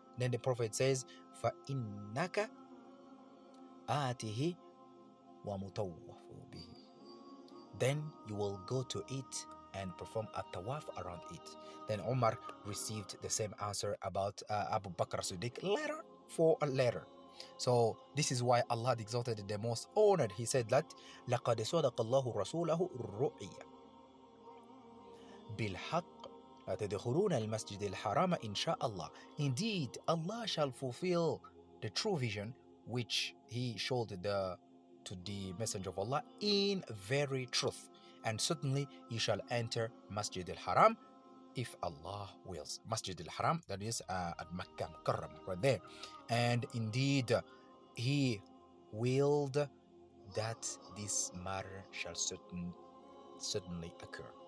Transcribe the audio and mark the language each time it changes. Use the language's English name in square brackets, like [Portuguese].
[English] Then the Prophet says, [Arabic] فإنك آتيه ومتوف به. [English] Then you will go to it and perform a tawaf around it. Then Umar received the same answer about Abu Bakr Siddiq, letter for a letter. So this is why Allah exalted the most honored. He said that [Arabic] لَقَدْ صَدَقَ اللَّهُ رَسُولَهُ رُؤِيَ بِالْحَقِّ لَتَدْخُلُونَ الْمَسْجِدِ الْحَرَامَ إِنْ شَاءَ اللَّهُ. [English] Indeed, Allah shall fulfill the true vision which He showed to the Messenger of Allah in very truth. And certainly you shall enter Masjid al-Haram if Allah wills. Masjid al-Haram, that is at Makkah Mukarram, right there. And indeed, He willed that this matter shall certain, certainly occur.